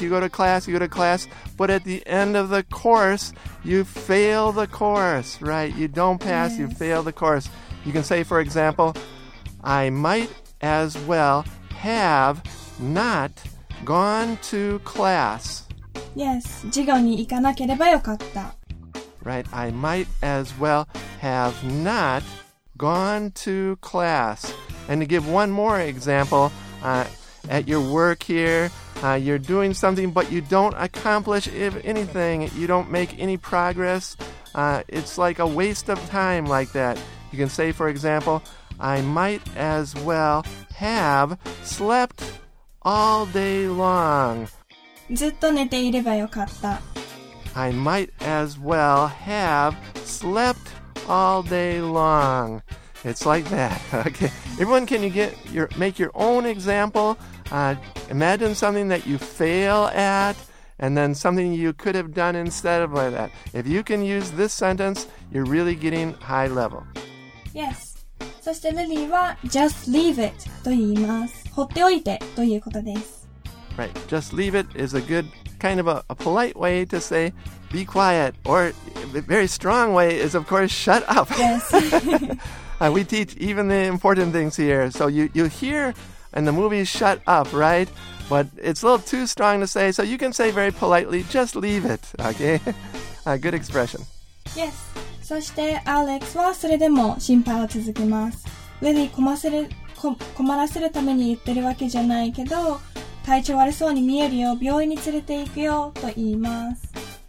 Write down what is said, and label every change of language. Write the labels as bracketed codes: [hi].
[en] You go to class. But at the end of the course, you fail the course, right? You don't pass, Yes. You fail the course. You can say, for example, I might as well have not gone to class. [ja] Yes, 授業に行かなければよかった。 [en] Right, I might as well have not gone to class. And to give one more example, at your work here, you're doing something but you don't accomplish anything. You don't make any progress. It's like a waste of time like that. You can say, for example, I might as well have slept all day long. [ja] ずっと寝ていればよかった。 [en] I might as well have slept all day long. It's like that. Okay. Everyone, can you make your own example? Imagine something that you fail at and then something you could have done instead of like that. If you can use this sentence, you're really getting high level. [ja] Yes. そしてルリーは [en] just leave it [ja] と言います。放っておいてということです。 [en] Right. Just leave it is a good kind of a polite way to say be quiet, or a very strong way is of course shut up. Yes. We teach even the important things here. So you hear in the movie shut up, right? But it's a little too strong to say. So you can say very politely just leave it. Okay. A good expression. Yes. [ja] そしてアレックスはそれでも心配を続けます。ルリー困らせるために言ってるわけじゃないけど、体調悪そうに見えるよ、病院に連れて行くよと言います。